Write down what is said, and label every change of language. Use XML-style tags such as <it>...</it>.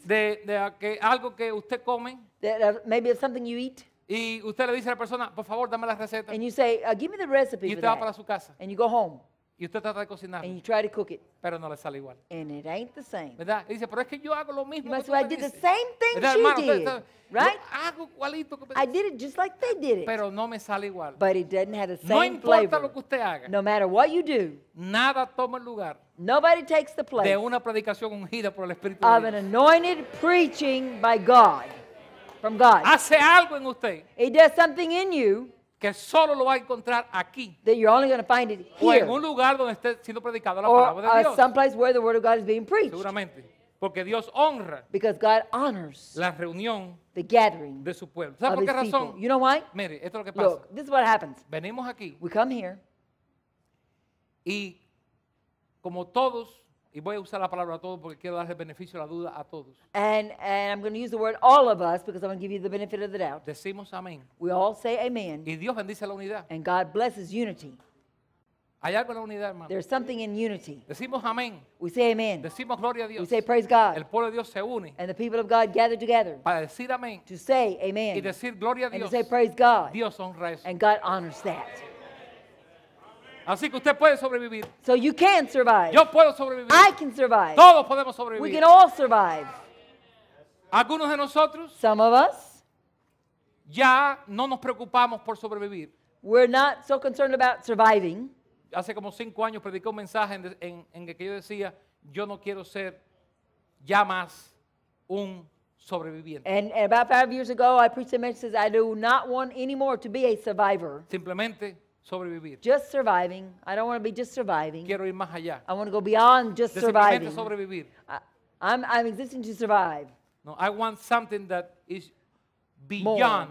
<es>De algo que usted come.</es> <en>That, maybe of something you eat.</en> <es>Y usted le dice a la persona, por favor, dame la receta.</es> <en>And you say, give me the recipe.</en> <es>Y usted va para su casa.</es> <en>And you go home.</en> <es>Y usted trata de cocinar.</es> <en>And you try to cook it.</en> <es>Pero no le sale igual.</es> <en>And it ain't the same.</en> <es>¿Verdad? Y dice, pero es que yo hago lo mismo.</es> <en>You must say, I did</en> <es>dice.</es> <en>The same thing she did. Right?</en> <es>Hago igualito.</es> <en>I did it just like they did it.</en> <es>Pero no me sale igual.</es> <en>But it doesn't have the same flavor.</en> <es>No importa</es> <en>flavor.</en> <es>Lo que usted haga.</es> <en>No matter what you do.</en> <es>Nada toma el lugar.</es> <en>Nobody takes the place.</en> <es>De una predicación ungida por el Espíritu</es> <en>of an anointed preaching by God. From God.</en> <es>Hace algo en usted.</es> <en>He does something in you.</en> <es>Que solo lo va a encontrar aquí.</es> <en>That you're only going to find it here.</en> <es>O en un lugar donde esté siendo predicada la palabra de Dios.</es> <en>Or someplace where the word of God is being preached.</en> <es>Seguramente. Porque Dios honra.</es> <en>Because God honors.</en> <es>La reunión.</es> <en>The gathering.</en> <es>De su pueblo. ¿Sabe por qué razón?</es> <en>You know why?</en> <es>Mire, esto es lo que pasa.</es> <en>Look, this is what happens.</en> <es>Venimos aquí.</es> <en>We come here.</en> <es>Y como todos. Y voy a usar la palabra todo porque quiero darle beneficio a la duda a todos.</es> <en>And I'm going to use the word all of us because I'm going to give you the benefit of the doubt.</en> <es>Decimos amén.</es> <en>We all say amen.</en> <es>Y Dios bendice la unidad.</es> <en>And God blesses unity.</en> <es>Hay algo en la unidad, hermano.</es> <en>There's something in unity.</en> <es>Decimos amén.</es> <en>We say amen.</en> <es>Decimos gloria a Dios.</es> <en>We say praise God.</en> <es>El pueblo de Dios se une.</es> <en>And the people of God gather together.</en> <es>Para decir amén.</es> <en>To say amen.</en> <es>Y decir gloria a Dios.</es> <en>And to say praise God.</en> <es>Dios honra eso.</es> <en>And God honors that.</en> <es>Así que usted puede sobrevivir.</es> <en>So you can survive.</en> <es>Yo puedo sobrevivir.</es> <en>I can survive.</en> <es>Todos podemos sobrevivir.</es> <en>We can all survive.</en> <es>Algunos de nosotros.</es> <en>Some of us.</en> <es>Ya no nos preocupamos por sobrevivir.</es> <en>We're not so concerned about surviving.</en> <es>Hace como 5 años prediqué un mensaje en el que yo decía, yo no quiero ser ya más un sobreviviente.</es> <en>And about 5 years ago, I preached a message that I do not want anymore to be a survivor.</en> <es>Simplemente. Sobrevivir.</es> <en>Just surviving. I don't want to be just surviving.</en> <es>Quiero ir más allá.</es> <en>I want to go beyond just surviving.</en> <es>Sobrevivir.</es> <en>I'm existing to survive. No, I want something that is beyond</en>